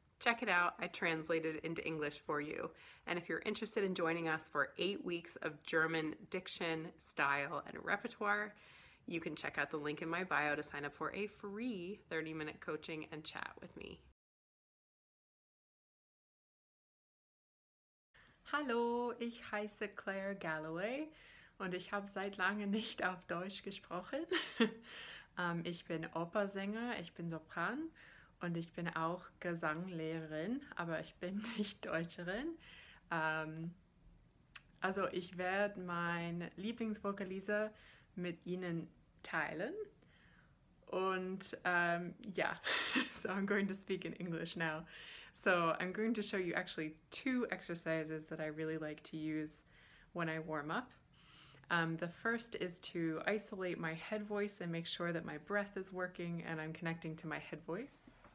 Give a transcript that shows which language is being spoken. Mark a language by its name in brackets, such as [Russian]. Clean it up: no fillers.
[English] Check it out. I translated it into English for you. And if you're interested in joining us for 8 weeks of German diction, style, and repertoire, you can check out the link in my bio to sign up for a free 30-minute coaching and chat with me. [German] Hallo, ich heiße Claire Galloway und ich habe seit langem nicht auf Deutsch gesprochen. Ich bin Opernsänger, ich bin Sopran. Und ich bin auch Gesanglehrerin, aber ich bin nicht Deutscherin. Also ich werde mein Lieblingsvokalise mit Ihnen teilen. Und ja, [English] so I'm going to speak in English now. So I'm going to show you actually two exercises that I really like to use when I warm up. The first is to isolate my head voice and make sure that my breath is working and I'm connecting to my head voice.